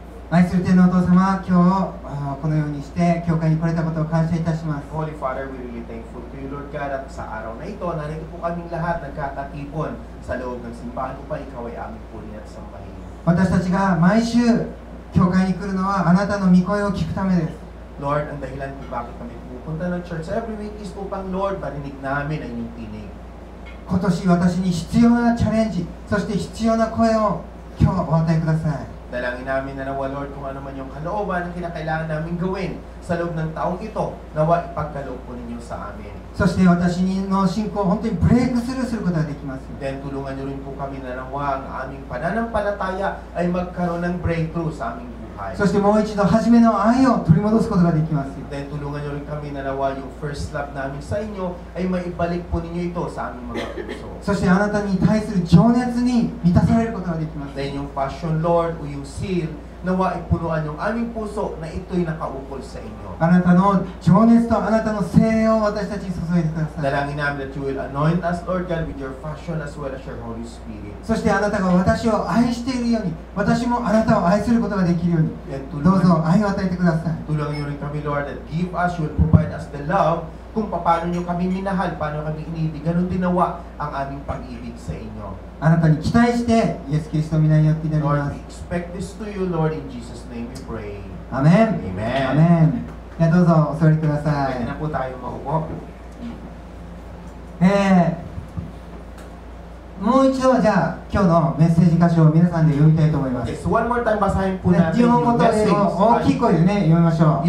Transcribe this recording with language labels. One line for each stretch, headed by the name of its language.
Japanese: 愛する天のお父様、今日このようにして教会に来れたことを感謝いたします。
English: Holy Father, we really thankful to you,
Filipino: Lord God, at sa araw na ito narito po kaming lahat nagkatatipon sa loob ng simbahan upang ikaw ay aming puri at sambahin.
Japanese: 私たちが毎週教会に来るのはあなたの御声を聞くためです。
Filipino: Lord, ang dahilan kung bakit kami pupunta ng church
English: every week
Filipino: is upang Lord, marinig namin ang iyong tinig.
Japanese: 今年私に必要なチャレンジ、そして必要な声を今日お与えください。
Filipino: Dalangin namin na nawa, Lord, kung ano man yung kalooban na kinakailangan namin gawin sa loob ng taong ito, nawa ipagkaloob po ninyo sa amin.
Japanese: そして私の信仰を本当にブレイクスルーすることができます。
Filipino: Then tulungan nyo rin po kami na nawa ang aming pananampalataya ay magkaroon ng breakthrough sa aming buhay.
Japanese: そしてもう一度初めの愛を取り戻すことができます。
Filipino: Then tulungan nyo rin kami na nawa yung first love namin sa inyo ay maibalik po ninyo ito sa aming mga puso.
Japanese: そしてあなたに対する情熱に満たされることができます。
Filipino: Then yung passion, Lord,
English: will you seal
Filipino: nawa ipunuan yung aming puso na ito'y nakaupol sa inyo.
Japanese: あなたの情熱とあなたの精霊を私たちに注いでください。
Filipino: Dalangin namin
English: that you will anoint us, Lord God, with your passion as well as your Holy Spirit.
Japanese: そしてあなたが私を愛しているように、私もあなたを愛することができるように、どうぞ愛を与えてください。
Filipino: Tulungan nyo kami,
English: Lord, that give us, you will provide us the love.
Filipino: Kung paano nyo kami minahal, paano kami iniibig, ganun din nawa ang aming pag-ibig sa inyo.
Japanese: あなたに期待して、イエス・キリストの御名によって祈ります。
English: Lord, we expect this to you, Lord, in Jesus' name we pray. Amen. Amen. Amen.
Japanese: じゃあどうぞお座りください。帰ってなこたよ、マウコ。もう一度じゃあ今日のメッセージ箇所を皆さんで読みたいと思います。
English: Yes, one more time,
Filipino: basahin po
Japanese: natin 日本語と英語を大きい声でね読みましょう。